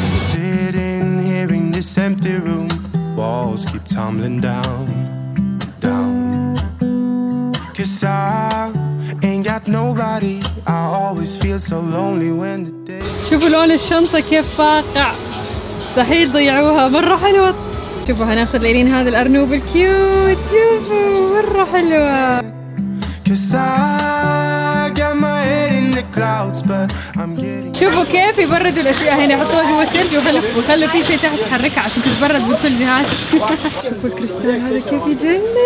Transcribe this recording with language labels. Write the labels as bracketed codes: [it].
[en] Sitting here in this empty room, walls keep tumbling down. Cause I ain't got nobody. I always feel so lonely when the day. [ar] شوفوا لون الشنطة كيف فاقع، مستحيل ضيعوها مرة حلوة. شوفوا هناخذ لإيرين هذا الأرنوب الكيوت، شوفوا مرة حلوة. [en] Cause I got my head in the clouds but I'm getting. [ar] شوفوا كيف يبردوا الأشياء هنا، يحطوها جوا الثلج وخلوا في شيء تحت تحركها عشان تتبرد بالثلج هذا. شوفوا الكريستال هذا كيف يجنن.